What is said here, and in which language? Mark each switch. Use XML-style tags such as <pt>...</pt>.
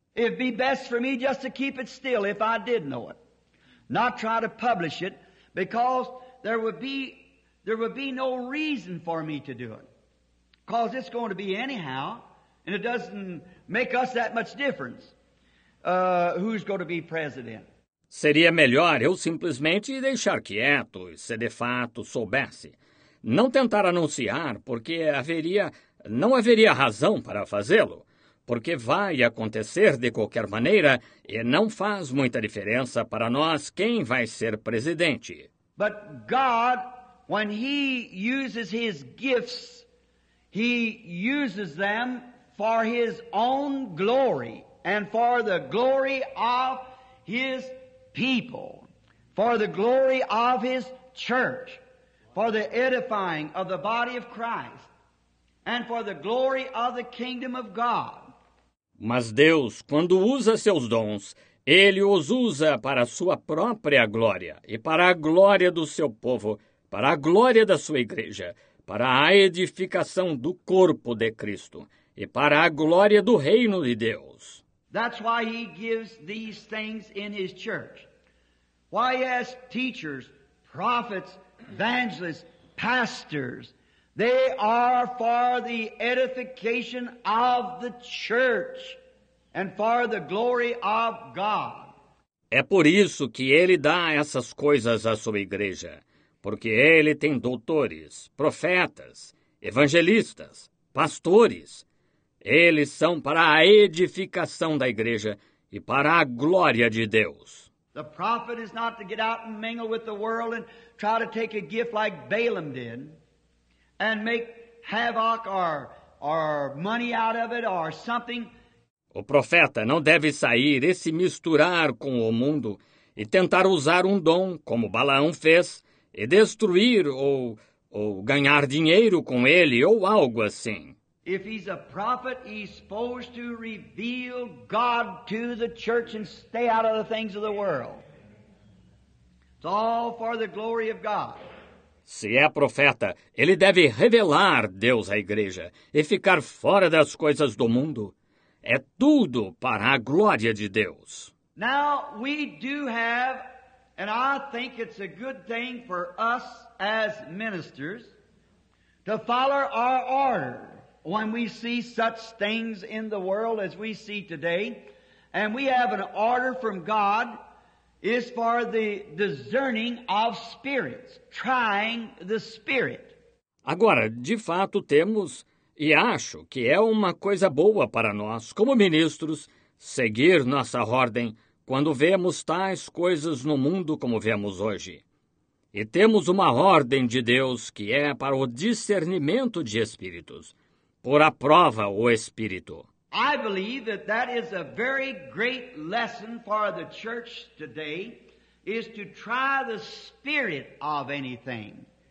<en>It'd be best for me just to keep it still if I did know it. Not try to publish it, because there would be no reason for me to do it. Because it's going to be anyhow, and it doesn't make us that much difference who's going to be president.</en> <pt>Seria melhor eu simplesmente deixar quieto, se de fato soubesse. Não tentar anunciar, porque não haveria razão para fazê-lo. Porque vai acontecer de qualquer maneira, e não faz muita diferença para nós quem vai ser presidente.</pt> <en>But God, when he uses his gifts, he uses them for his own glory and for the glory of his people, for the glory of his church, for the edifying of the body of Christ, and for the glory of the kingdom of God.</en> <pt>Mas Deus, quando usa seus dons, ele os usa para a sua própria glória e para a glória do seu povo, para a glória da sua igreja, para a edificação do corpo de Cristo e para a glória do reino de Deus.</pt> <en>That's why he gives these things in his church. Why he has teachers, prophets, evangelists, pastors. They are for the edification of the church and for the glory of God.</en> <pt>É por isso que ele dá essas coisas à sua igreja, porque ele tem doutores, profetas, evangelistas, pastores. Eles são para a edificação da igreja e para a glória de Deus.</pt> <en>The prophet is not to get out and mingle with the world and try to take a gift like Balaam did, and make havoc or or money out of it or something.</en> <pt>O profeta não deve sair e se misturar com o mundo e tentar usar um dom, como Balaão fez, e destruir ou ganhar dinheiro com ele ou algo assim.</pt> <en>If he's a prophet, he's supposed to reveal God to the church and stay out of the things of the world. It's all for the glory of God.</en> <pt>Se é profeta, ele deve revelar Deus à igreja e ficar fora das coisas do mundo. É tudo para a glória de Deus.</pt> <en>Now we do have, and I think it's a good thing for us as ministers to follow our order when we see such things in the world as we see today. And we have an order from God is for the discerning of spirits, trying the spirit.</en> <pt>Agora, de fato, temos, e acho que é uma coisa boa para nós, como ministros, seguir nossa ordem quando vemos tais coisas no mundo como vemos hoje. E temos uma ordem de Deus que é para o discernimento de espíritos, pôr à prova o espírito.</pt> <en>I believe that that is a very great lesson for the church today, is to try the spirit of anything.</en>